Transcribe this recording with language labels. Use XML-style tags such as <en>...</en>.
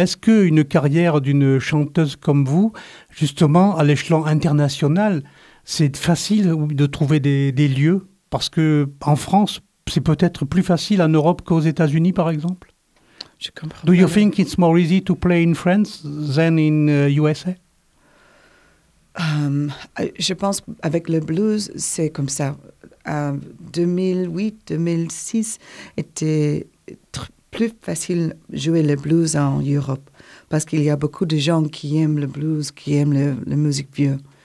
<fr>Est-ce qu'une carrière d'une chanteuse comme vous, justement, à l'échelon international, c'est facile de trouver des lieux? Parce qu'en France, c'est peut-être plus facile en Europe qu'aux États-Unis, par exemple. Je comprends.</fr> <en>Do you think it's more easy to play in France than in USA?</en> <fr>Je pense qu'avec le blues, c'est comme ça. 2008-2006 était plus facile jouer le blues en Europe parce qu'il y a beaucoup de gens qui aiment le blues, qui aiment la musique vieux.</fr>